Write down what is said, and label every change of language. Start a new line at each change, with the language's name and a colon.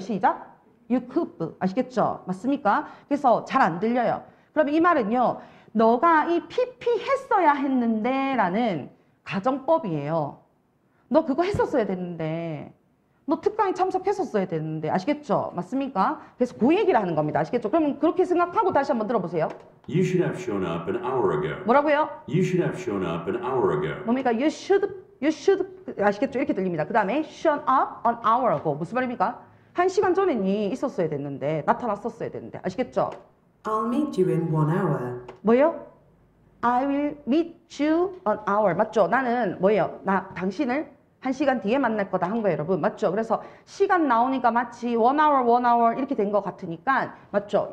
Korean: 시작!
English: You could.
Korean: 아시겠죠? 맞습니까? 그래서 잘 안 들려요. 그럼 이 말은요. 너가 이 PP 했어야 했는데 라는 가정법이에요. 너 그거 했었어야 됐는데. 너 특강에 참석했었어야 됐는데. 아시겠죠? 맞습니까? 그래서 그 얘기를 하는 겁니다. 아시겠죠? 그러면 그렇게 생각하고 다시 한번 들어보세요.
English: You should have shown up an hour ago.
Korean: 뭐라고요?
English: You should have shown up an hour ago.
Korean: 뭡니까?
English: You should.
Korean: 아시겠죠? 이렇게 들립니다. 그 다음에
English: shown up an hour ago.
Korean: 무슨 말입니까? 한 시간 전에 니 있었어야 됐는데 나타났었어야 됐는데 아시겠죠?
English: I'll meet you in one hour.
Korean: 뭐요?
English: I will meet you an hour.
Korean: 맞죠? 나는 뭐예요? 나 당신을 한 시간 뒤에 만날 거다 한 거예요, 여러분. 맞죠? 그래서 시간 나오니까 마치 one hour 이렇게 된 것 같으니까 맞죠?